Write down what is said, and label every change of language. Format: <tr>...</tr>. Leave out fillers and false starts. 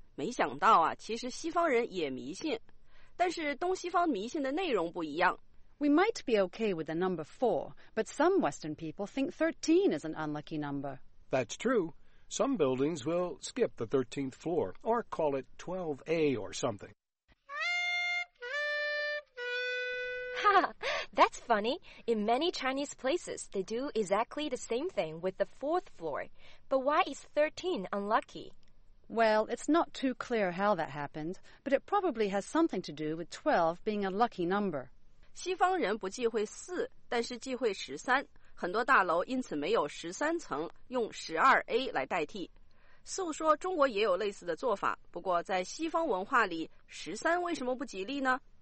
<zh>没想到啊，其实西方人也迷信，但是东西方迷信的内容不一样。</zh> <en>We might be okay with the number 4, but some Western people think 13 is an unlucky number. That's true. Some buildings will skip the 13th floor, or call it 12A or something. That's funny. In many Chinese places, they do exactly the same thing with the 4th floor. But why is 13 unlucky? Well, it's not too clear how that happened, but it probably has something to do with 12 being a lucky number.</en> <zh>西方人不忌讳4，但是忌讳13。很多大楼因此没有13层，用 12A 来代替。 Sue说中国也有类似的做法，不过在西方文化里，13为什么不吉利呢？</zh>